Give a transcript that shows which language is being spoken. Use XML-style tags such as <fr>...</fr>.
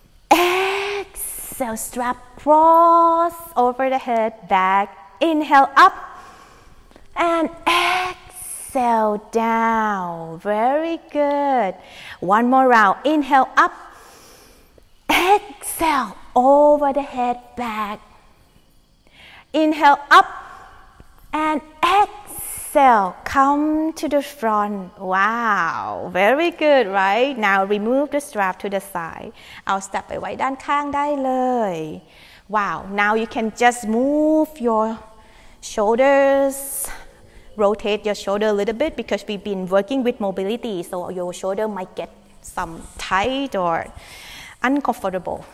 <en>Exhale, strap cross over the head, back, inhale up, and exhale down. Very good. One more round. Inhale up, exhale, over the head, back. Inhale up, and exhale. Marcel, come to the front. Wow, very good, right? Now remove the strap to the side.</en> <th>เอาสตรัปไปไว้ด้านข้างได้เลย</th> <en>Wow, now you can just move your shoulders. Rotate your shoulder a little bit because we've been working with mobility, so your shoulder might get some tight or uncomfortable.</en>